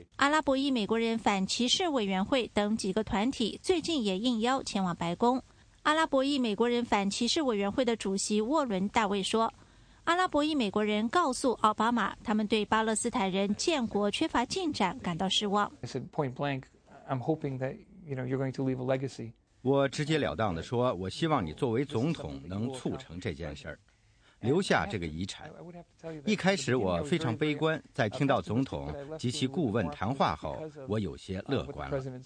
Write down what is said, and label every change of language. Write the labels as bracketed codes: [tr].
[zh] 阿拉伯裔美国人反歧视委员会等几个团体最近也应邀前往白宫。阿拉伯裔美国人反歧视委员会的主席沃伦·大卫说，阿拉伯裔美国人告诉奥巴马，他们对巴勒斯坦人建国缺乏进展感到失望。 [en] I said point blank, I'm hoping that you're going to leave a legacy. [zh] 我直截了当地说，我希望你作为总统能促成这件事儿，留下这个遗产。一开始我非常悲观，在听到总统及其顾问谈话后，我有些乐观了。